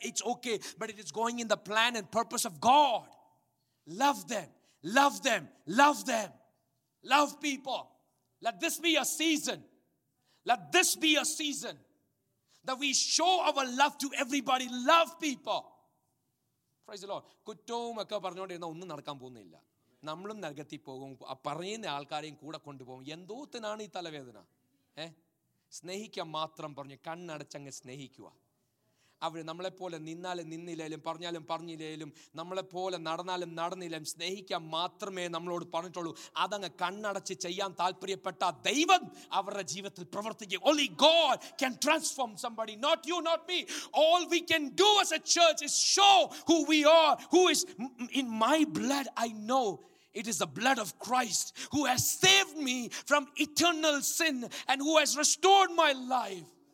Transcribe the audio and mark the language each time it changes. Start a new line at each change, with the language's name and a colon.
English: It's okay, but it is going in the plan and purpose of God. Love them. Love them. Love them. Love people. Let this be a season. Let this be a season that we show our love to everybody. Love people. Praise the Lord.
Malayalam: കുറ്റവും ഒക്കെ പറഞ്ഞുകൊണ്ടിരുന്ന ഒന്നും നടക്കാൻ പോകുന്നില്ല. നമ്മളും നരകത്തിൽ പോകും. പറയുന്ന ആൾക്കാരെയും കൂടെ കൊണ്ടുപോകും. എന്തോത്തിനാണ് ഈ തലവേദന? സ്നേഹിക്കാൻ മാത്രം പറഞ്ഞു കണ്ണടച്ചങ്ങ് സ്നേഹിക്കുക. അവർ നമ്മളെപ്പോലെ നിന്നാലും നിന്നില്ലെങ്കിലും പറഞ്ഞാലും പറഞ്ഞില്ലെങ്കിലും നമ്മളെപ്പോലെ നടന്നാലും നടന്നില്ലെങ്കിലും സ്നേഹിക്കാൻ മാത്രമേ നമ്മളോട് പറഞ്ഞിട്ടുള്ളൂ. അതങ്ങ് കണ്ണടച്ച് ചെയ്യാൻ താല്പര്യപ്പെട്ട ദൈവം അവരുടെ ജീവിതത്തിൽ പ്രവർത്തിക്കും.
English: Only God can transform somebody, not you, not me. All we can do as a church is show who we are, who is in my blood. I know it is the blood of Christ who has saved me from eternal sin and who has restored my life.